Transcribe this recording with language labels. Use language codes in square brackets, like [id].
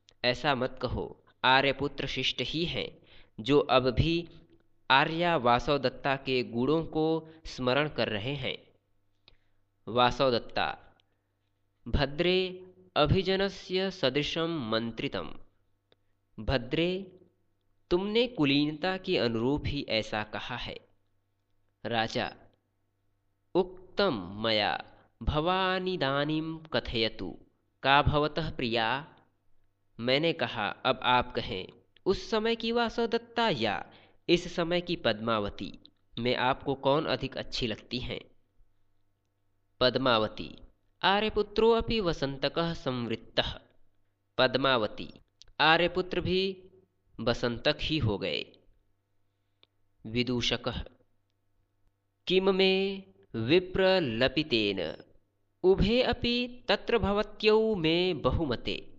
[hi] ऐसा मत कहो, आर्यपुत्र शिष्ट ही हैं जो अब भी आर्या वासवदत्ता के गुणों को स्मरण कर रहे हैं। वासवदत्ता। [sa] भद्रे अभिजनस्य सदृशं मंत्रितम्। [hi] भद्रे, तुमने कुलीनता के अनुरूप ही ऐसा कहा है। [sa] राजा उक्तम मया भवानिदानीं कथयतु का भवतः प्रिया। [hi] मैंने कहा, अब आप कहें। उस समय की वासवदत्ता या इस समय की पद्मावती में आपको कौन अधिक अच्छी लगती हैं? पद्मावती। [sa] आर्यपुत्रो अपि वसंतकः संवृत्तः। पद्मावती। [hi] आर्यपुत्र भी वसंतक ही हो गए। [sa] विदूषकः किम मे विप्रलपितेन, उभे अपि तत्र भवत्यौ मे बहुमते।